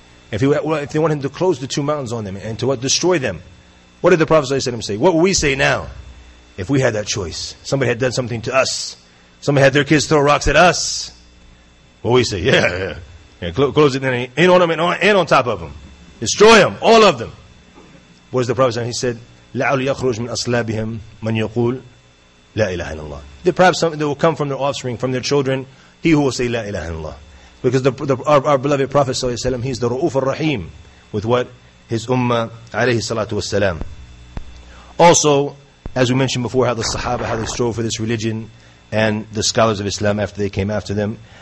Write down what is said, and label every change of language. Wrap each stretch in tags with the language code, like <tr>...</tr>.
<en>If they want him to close the two mountains on them and to what? Destroy them. What did the Prophet ﷺ say? What would we say now if we had that choice? Somebody had done something to us. Somebody had their kids throw rocks at us. What we say? Yeah. Close it, and in on them, and on top of them. Destroy them, all of them. What does the Prophet say? He said,</en> <ar>لَعَلُّ يَخْرُجْ مِنْ أَصْلَابِهِمْ مَنْ يَقُولُ لَا إِلَهَ إِلَّا اللَّهُ.</ar> <en>Perhaps some, they will come from their offspring, from their children, he who will say,</en> <ar>لَا إِلَهَ إِلَّا اللَّهُ.</ar> <en>Because our beloved Prophet, he is the Ra'uf al-Rahim with what? His Ummah, alayhi salatu wassalam. Also, as we mentioned before, how the Sahaba, how they strove for this religion, and the scholars of Islam after they came after them.</en>